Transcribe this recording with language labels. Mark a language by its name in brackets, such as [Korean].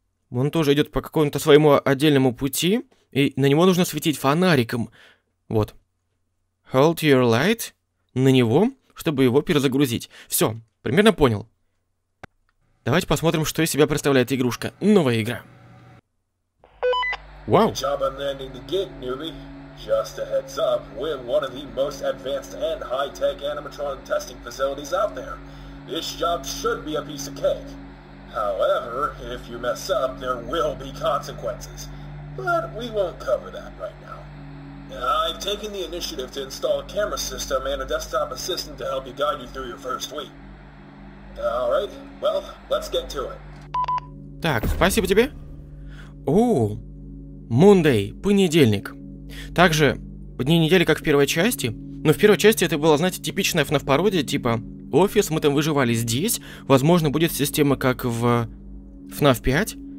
[Russian] Он тоже идет по какому-то своему отдельному пути, и на него нужно светить фонариком. Вот. [English] Hold your light [Russian] на него, чтобы его перезагрузить. Все, примерно понял. Давайте посмотрим, что из себя представляет игрушка. Новая игра. [English] Вау! Job unending the gig, newbie. Just a heads up, we're one of the most advanced and high-tech animatronic testing facilities out there. This job should be a piece of cake. However, if you mess up, there will be consequences. But we won't cover that right now. I've taken the initiative to install a camera system and a desktop assistant to help you guide you through your first week. Alright, well, let's get to it. [Russian] Так, спасибо тебе. Ооо, Monday, понедельник. Также, дни недели, как в первой части. Но в первой части это было, знаете, типичная FNAF-пародия, типа... Офис, мы там выживали здесь. Возможно, будет система, как в FNAF 5.